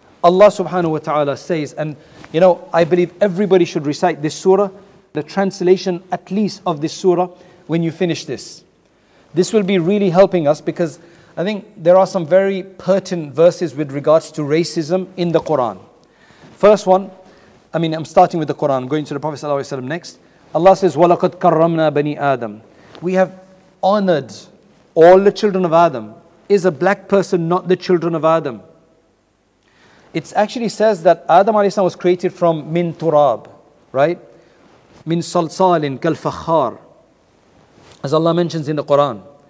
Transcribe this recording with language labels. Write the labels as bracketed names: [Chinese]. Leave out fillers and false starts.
[English] Allah subhanahu wa ta'ala says, and you know, I believe everybody should recite this surah, the translation at least of this surah, when you finish this. This will be really helping us because I think there are some very pertinent verses with regards to racism in the Quran. First one, I mean, I'm starting with the Quran, going to the Prophet sallallahu alaihi wasallam next. Allah says, [Arabic] وَلَقَدْ كَرَّمْنَا بَنِي آدَمْ. [English] We have honored all the children of Adam. Is a black person not the children of Adam? It actually says that Adam alayhi salam was created from min turab, right? [Arabic] Min salsalin kalfakhar. [English] As Allah mentions in the Quran.